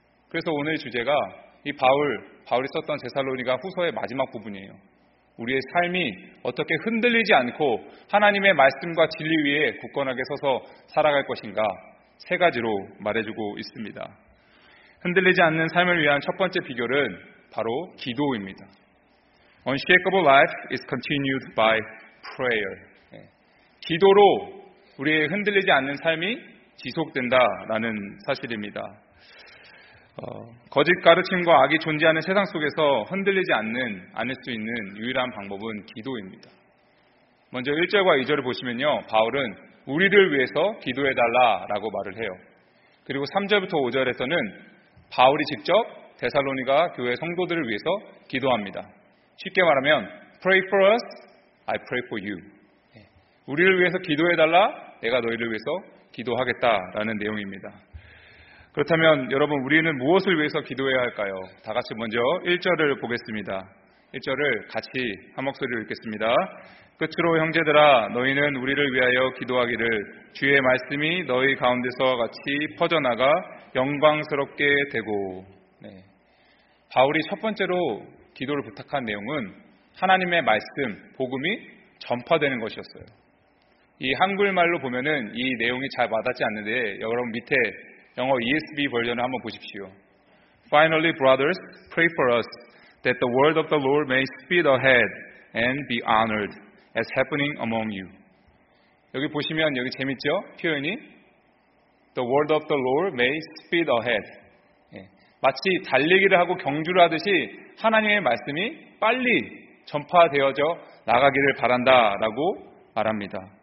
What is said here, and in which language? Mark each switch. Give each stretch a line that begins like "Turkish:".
Korean: 그래서 오늘 주제가 이 바울이 썼던 데살로니가 후서의 마지막 부분이에요. 우리의 삶이 어떻게 흔들리지 않고 하나님의 말씀과 진리 위에 굳건하게 서서 살아갈 것인가 세 가지로 말해주고 있습니다. 흔들리지 않는 삶을 위한 첫 번째 비결은 바로 기도입니다.
English: Unshakable life is continued by prayer.
Korean: 기도로 우리의 흔들리지 않는 삶이 지속된다라는 사실입니다. 거짓 가르침과 악이 존재하는 세상 속에서 흔들리지 않을 수 있는 유일한 방법은 기도입니다. 먼저 1절과 2절을 보시면요. 바울은 우리를 위해서 기도해달라라고 말을 해요. 그리고 3절부터 5절에서는 바울이 직접 데살로니가 교회 성도들을 위해서 기도합니다. 쉽게 말하면
English: Pray for us, I pray for you.
Korean: 우리를 위해서 기도해달라, 내가 너희를 위해서 기도하겠다라는 내용입니다. 그렇다면 여러분, 우리는 무엇을 위해서 기도해야 할까요? 다 같이 먼저 1절을 보겠습니다. 1절을 같이 한 목소리로 읽겠습니다. 끝으로 형제들아, 너희는 우리를 위하여 기도하기를 주의 말씀이 너희 가운데서 같이 퍼져나가 영광스럽게 되고. 네. 바울이 첫 번째로 기도를 부탁한 내용은 하나님의 말씀, 복음이 전파되는 것이었어요. 이 한글말로 보면은 이 내용이 잘 와닿지 않는데 여러분 밑에 영어 ESV 버전을 한번 보십시오.
English: Finally, brothers, pray for us that the word of the Lord may speed ahead and be honored as happening among you.
Korean: 여기 보시면 여기 재밌죠? 표현이
English: The word of the Lord may speed ahead.
Korean: 마치 달리기를 하고 경주를 하듯이 하나님의 말씀이 빨리 전파되어져 나가기를 바란다라고 말합니다.